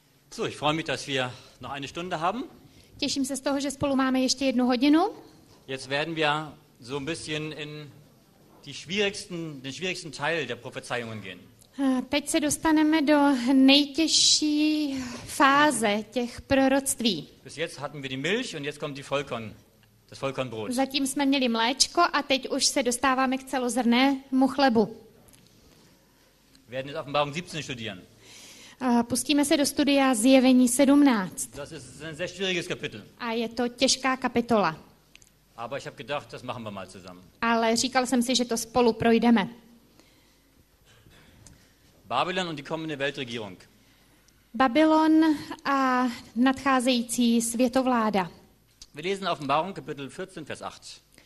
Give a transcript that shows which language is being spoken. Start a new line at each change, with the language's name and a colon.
German: So, ich freue mich, dass wir noch eine Stunde haben.
Czech: Těším se z toho, že spolu máme ještě jednu hodinu.
German: Jetzt werden wir so ein bisschen in den schwierigsten Teil der Prophezeiungen gehen.
Czech: Teď se dostaneme do nejtěžší fáze těch proroctví.
German: Bis jetzt hatten wir die Milch und jetzt kommt die Vollkorn, das Vollkornbrot.
Czech: Zatím jsme měli mléčko a teď už se dostáváme k celozrnnému chlebu.
German: Wir werden jetzt Offenbarung 17 studieren.
Czech: Pustíme se do studia Zjevení 17.
German: Das ist ein sehr schwieriges Kapitel.
Czech: A je to těžká kapitola.
German: Aber ich habe gedacht, das machen wir mal zusammen.
Czech: Ale říkal jsem si, že to spolu projdeme.
German: Babylon und die kommende Weltregierung.
Czech: Babylon a nadcházející světovláda.
German: Wir lesen Offenbarung Kapitel 14 Vers 8.